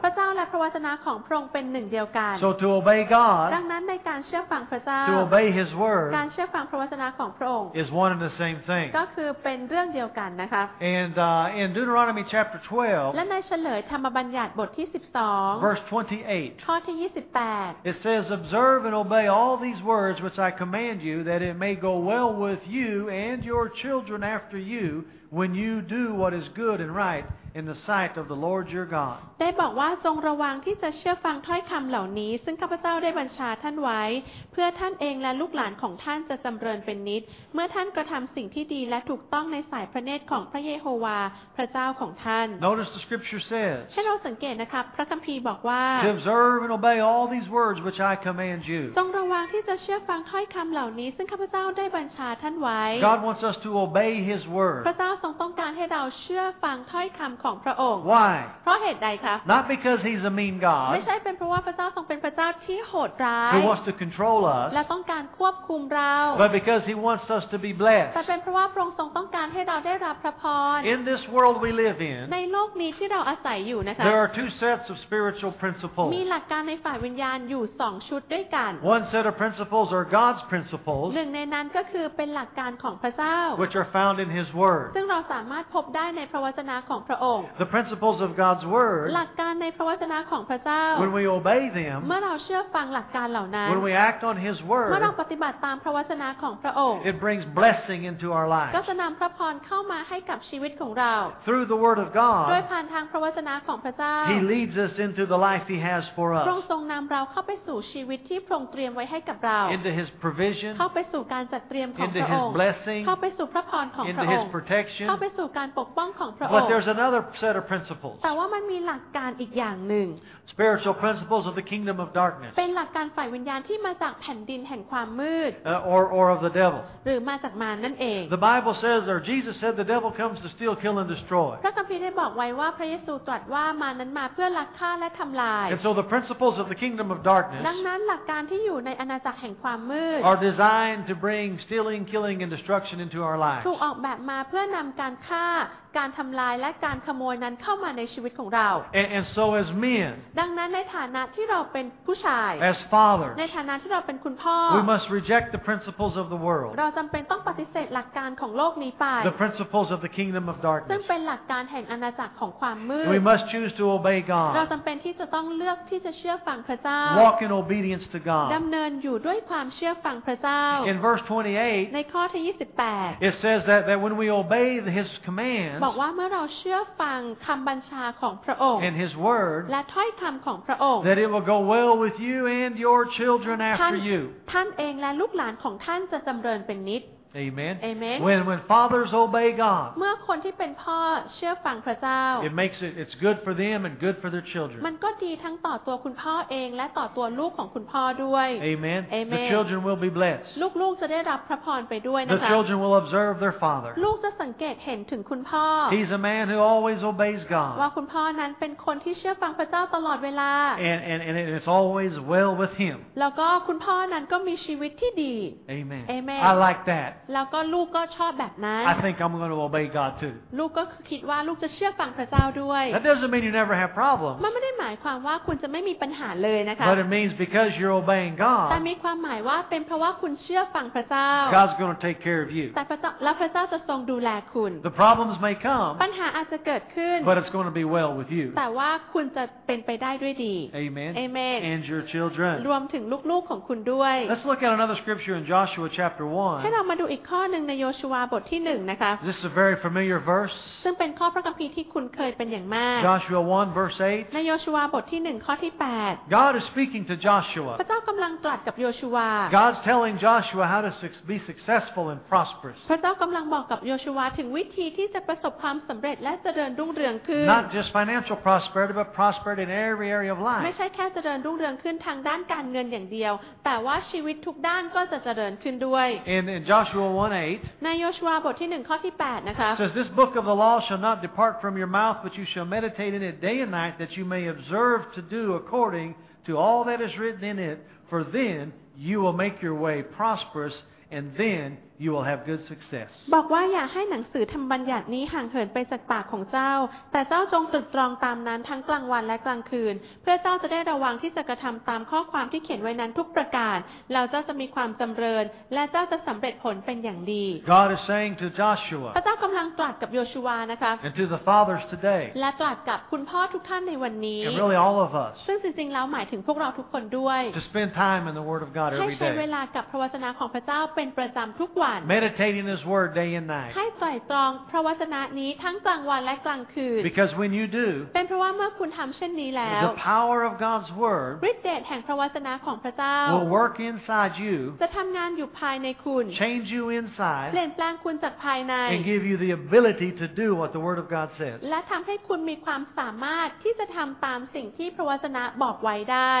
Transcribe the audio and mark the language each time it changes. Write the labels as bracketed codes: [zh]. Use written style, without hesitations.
[th] พระเจ้าและพระวจนะของพระองค์เป็นหนึ่งเดียวกัน [en] So to obey God [th] ดังนั้นในการเชื่อฟังพระเจ้า [en] To obey his word [th] การเชื่อฟังพระวจนะของพระองค์ [en] Is one of the same thing [th] ก็คือเป็นเรื่องเดียวกันนะคะ [en] and in Deuteronomy chapter 12 [th] และในเฉลยธรรมบัญญัติบทที่12 [en] verse 28 [th] ข้อที่28 [en] it says observe and obey all these words which I command you that it may go well with you and your children after you when you do what is good and rightin the sight of the Lord your God [th] ได้บอกว่าจงระวังที่จะเชื่อฟังถ้อยคำเหล่านี้ซึ่งข้าพเจ้าได้บัญชาท่านไว้เพื่อท่านเองและลูกหลานของท่านจะจำเริญเป็นนิตเมื่อท่านกระทำสิ่งที่ดีและถูกต้องในสายพระเนตรของพระเยโฮวาพระเจ้าของท่าน [en] Notice the scripture says [th] ให้เราสังเกตนะครับพระคัมภีร์บอกว่า [en] Observe and obey all these words which I command you [th] จงระวังที่จะเชื่อฟังถ้อยคำเหล่านี้ซึ่งข้าพเจ้าได้บัญชาท่านไว้ [en] God wants us to obey his word [th] พระเจ้า าทรงต้องการให้เราเชื่อฟังถ้อยคำของพระองค์ [en] Why [th] เพราะเหตุใดคะ [en] Not because he's a mean God [th] ไม่ใช่เป็นเพราะว่าพระเจ้าทรงเป็นพระเจ้าที่โหดร้าย [en] He wants to control us [th] และต้องการควบคุมเรา [en] But because he wants us to be blessed [th] แต่เป็นเพราะว่าพระองค์ทรงต้องการให้เราได้รับพระพร [en] In this world we live in [th] ในโลกนี้ที่เราอาศัยอยู่นะคะ [en] There are two sets of spiritual principles [th] มีหลักการในฝ่ายวิญญาณอยู่2ชุดด้วยกัน [en] One set of principles are God's principles [th] หนึ่งในนั้นก็คือเป็นหลักการของพระเจ้า [en] Which are found in his word [th] ซึ่งเราสามารถพบได้ในพระวจนะของพระองค์ [en] The principles of God's word [th] หลักการในพระวจนะของพระเจ้า [en] When we obey them [th] เมื่อเราเชื่อฟังหลักการเหล่านั้น [en] When we act on his word [th] เมื่อเราปฏิบัติตามพระวจนะของพระองค์ [en] It brings blessing into our lives [th] ก็จะนําพระพรเข้ามาให้กับชีวิตของเรา [en] Through the word of God [th] โดยผ่านทางพระวจนะของพระเจ้า [en] He leads us into the life he has for us [th] พระองค์ทรงนําเราเข้าไปสู่ชีวิตที่พระองค์เตรียมไว้ให้กับเรา [en] Into his provision [th] เข้าไปสู่การจัดเตรียมของพระองค์ [en] Into his blessing [th] เข้าไปสู่พระพรของพระองค์ เข้าไปสู่การปกป้องของพระองค์ [en] But there's another set of principles [th] แต่ว่ามันมีหลักการอีกอย่างนึง [en] Spiritual principles of the kingdom of darkness [th] เป็นหลักการฝ่ายวิญญาณที่มาจากแผ่นดินแห่งความมืด [en] or of the devil [th] หรือมาจากมารนั่นเอง [en] The Bible says or Jesus said the devil comes to steal kill and destroy [th] พระคัมภีร์ได้บอกไว้ว่าพระเยซูตรัสว่ามารนั้นมาเพื่อลักฆ่าและทําลาย [en] And so the principles of the kingdom of darkness [th] ดังนั้นหลักการที่อยู่ในอาณาจักรแห่งความมืด [en] are designed to bring stealing killing and destruction into our lives [th] ถูกออกแบบมาเพื่อนำการฆ่าการทำลายและการขโมยนั้นเข้ามาในชีวิตของเรา [en] and so as men [th] ดังนั้นในฐานะที่เราเป็นผู้ชาย [en] as fathers [th] ในฐานะที่เราเป็นคุณพ่อ [en] we must reject the principles of the world [th] เราจำเป็นต้องปฏิเสธหลักการของโลกนี้ไป [en] the principles of the kingdom of darkness [th] ซึ่งเป็นหลักการแห่งอาณาจักรของความมืด [en] we must choose to obey God [th] เราจำเป็นที่จะต้องเลือกที่จะเชื่อฟังพระเจ้า [en] walk in obedience to God [th] ดำเนินอยู่ด้วยความเชื่อฟังพระเจ้า [en] in verse 28 [th] ในข้อที่28 [en] it says that when we obey his command [th] บอกว่าเมื่อเราเชื่อฟังคำบัญชาของพระองค์ [en] and his word [th] และถ้อยคำของพระองค์ [en] that it will go well with you and your children after you [th] ท่านเองและลูกหลานของท่านจะจำเริญเป็นนิด [en] amen amen when fathers obey God [th] เมื่อคนที่เป็นพ่อเชื่อฟังพระเจ้า [en] it makes it's good for them and good for their children [th] มันก็ดีทั้งต่อตัวคุณพ่อเองและต่อตัวลูกของคุณพ่อด้วย [en] amen amen the children will be blessed [th] ลูกๆจะได้รับพระพรไปด้วยนะคะ [en] the children will observe their father [th] ลูกจะสังเกตเห็นถึงคุณพ่อ [en] he's a man who always obeys God [th] ว่าคุณพ่อนั้นเป็นคนที่เชื่อฟังพระเจ้าตลอดเวลา [en] and it's always well with him [th] แล้วก็คุณพ่อนั้นก็มีชีวิตที่ดี [en] amen amen I like that [th] แล้วก็ลูกก็ชอบแบบนั้น [en] I think I'm going to obey God too [th] ลูกก็คิดว่าลูกจะเชื่อฟังพระเจ้าด้วย [en] That doesn't mean you never have problems [th] มันไม่ได้หมายความว่าคุณจะไม่มีปัญหาเลยนะคะ [en] But it means because you're obeying God [th] แต่มีความหมายว่าเป็นเพราะว่าคุณเชื่อฟังพระเจ้า [en] God's going to take care of you [th] แต่พระเจ้าแล้วพระเจ้าจะทรงดูแลคุณ [en] The problems may come [th] ปัญหาอาจจะเกิดขึ้น [en] But it's going to be well with you [th] แต่ว่าคุณจะเป็นไปได้ด้วยดี [en] Amen Amen and your children [th] รวมถึงลูกๆของคุณด้วย [en] Let's look at another scripture in Joshua chapter 1 [th] ให้เรามาอีกข้อนึงในโยชูวาบทที่1นะคะ [en] This is a very familiar verse [th] ซึ่งเป็นข้อพระคัมภีร์ที่คุณเคยเป็นอย่างมาก [en] Joshua 1 verse 8 [th] ในโยชูวาบทที่1ข้อที่8 [en] God is speaking to Joshua [th] พระเจ้ากำลังตรัสกับโยชูวา [en] God's telling Joshua how to be successful and prosperous [th] พระเจ้ากำลังบอกกับโยชูวาถึงวิธีที่จะประสบความสำเร็จและเจริญรุ่งเรืองขึ้น [en] Not just financial prosperity but prosperity in every area of life [th] ไม่ใช่แค่เจริญรุ่งเรืองขึ้นทางด้านการเงินอย่างเดียวแต่ว่าชีวิตทุกด้านก็จะเจริญขึ้นด้วย [en] In Joshua 1:8. [th] ในโยชูวาบทที่1ข้อที่8นะคะ [en] Says this book of the law shall not depart from your mouth, but you shall meditate in it day and night, that you may observe to do according to all that is written in it. For then you will make your way prosperous, and then you will have good success. [th] บอกว่าอย่าให้หนังสือธรรมบัญญัตินี้ห่างเหินไปจากปากของเจ้าแต่เจ้าจงตรึกตรองตามนั้นทั้งกลางวันและกลางคืนเพื่อเจ้าจะได้ระวังที่จะกระทำตามข้อความที่เขียนไว้นั้นทุกประการแล้วเจ้าจะมีความจำเริญและเจ้าจะสำเร็จผลเป็นอย่างดี [en] God is saying to Joshua [th] พระเจ้ากำลังตรัสกับโยชูวานะคะ [en] And to the fathers today [th] และตรัสกับคุณพ่อทุกท่านในวันนี้ [en] And really all of us [th] ซึ่งจริงๆแล้วหมายถึงพวกเราทุกคนด้วย [en] To spend time in the Word of God every day [th] ให้ใช้เวลากับพระวจนะของพระเจ้าเป็นประจำทุกวัน [en] Meditating His word day and night. [th] ให้ตรึกตรองพระวจนะนี้ทั้งกลางวันและกลางคืน [en] Because when you do, [th] เป็นเพราะว่าเมื่อคุณทำเช่นนี้แล้ว [en] The power of God's word, [th] ฤทธิ์เดชแห่งพระวจนะของพระเจ้า [en] will work inside you. [th] จะทำงานอยู่ภายในคุณ [en] Change you inside. [th] เปลี่ยนแปลงคุณจากภายใน [en] And give you the ability to do what the word of God says. [th] และทำให้คุณมีความสามารถที่จะทำตามสิ่งที่พระวจนะบอกไว้ได้